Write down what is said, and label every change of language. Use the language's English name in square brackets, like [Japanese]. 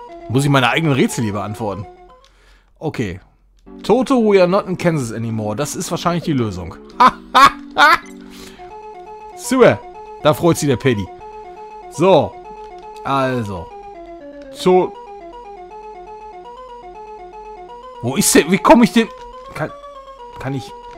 [German] Muss ich meine eigenen Rätsel lieber antworten? Okay. [English] Toto, we are not in Kansas anymore. [German] Das ist wahrscheinlich die Lösung. Super! Da freut sich der Paddy. So. Also. Wo ist der? Wie komme ich denn? Kann ich.